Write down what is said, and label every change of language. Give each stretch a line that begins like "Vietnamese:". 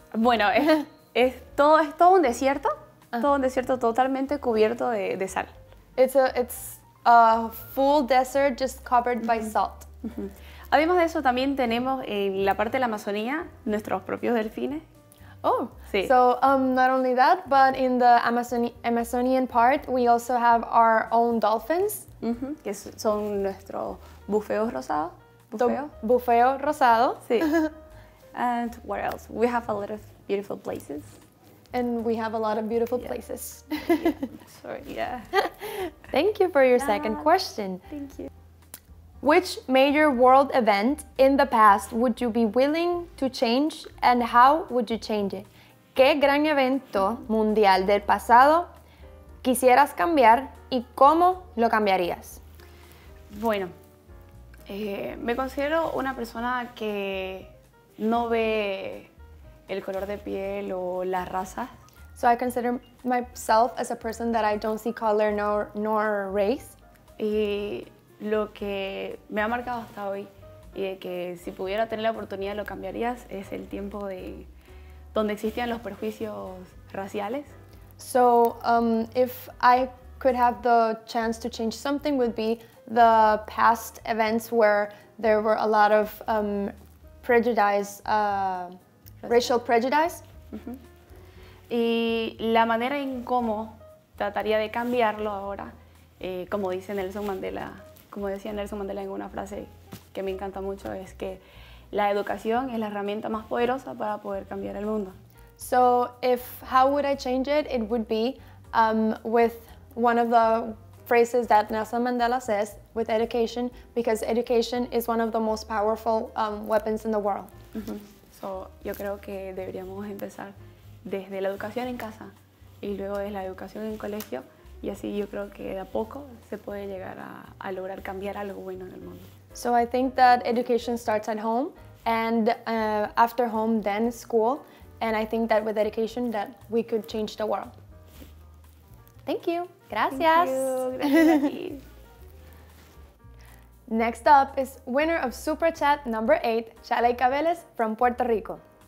Spanish: Bueno, es todo un desierto, todo un desierto totalmente cubierto de sal.
English: It's a full desert just covered by salt.
Spanish: Además de eso, también tenemos en la parte de la Amazonía nuestros propios delfines. Oh, sí.
English: So not only that, but in the Amazonian part, we also have our own dolphins,
Spanish: que son nuestros búfeos rosados. Búfeo rosado.
English: Sí. And what else? We have a lot of beautiful places. And we have a lot of beautiful places. Yeah. Sorry, yeah. Thank you for your second question. Thank you. Which major world event in the past would you be willing to change and how would you change it?
Spanish: ¿Qué gran evento mundial del pasado quisieras cambiar y cómo lo cambiarías? Bueno, me considero una persona que no ve el color de piel o la raza.
English: So I consider myself as a person that I don't see color nor race.
Spanish: Y lo que me ha marcado hasta hoy y de que si pudiera tener la oportunidad lo cambiarías es el tiempo de donde existían los prejuicios raciales.
English: So if I could have the chance to change something would be the past events where there were a lot of racial prejudice.
Spanish: Y la manera en cómo trataría de cambiarlo ahora, como dice Nelson Mandela, como decía Nelson Mandela en una frase que me encanta mucho, es que la educación es la herramienta más poderosa para poder cambiar el mundo.
English: So, if how would I change it? It would be with one of the phrases that Nelson Mandela says, with education, because education is one of the most powerful weapons in the world.
Spanish: So, yo creo que deberíamos empezar desde la educación en casa y luego desde la educación en colegio. Y así yo creo que de a poco se puede llegar a lograr cambiar algo bueno en el mundo.
English: So I think that education starts at home and after home then school. And I think that with education that we could change the world. Thank you.
Spanish: Gracias.
English: Thank you.
Spanish: Gracias a ti.
English: Next up is winner of Super Chat number 8, Chaleika Vélez from Puerto Rico.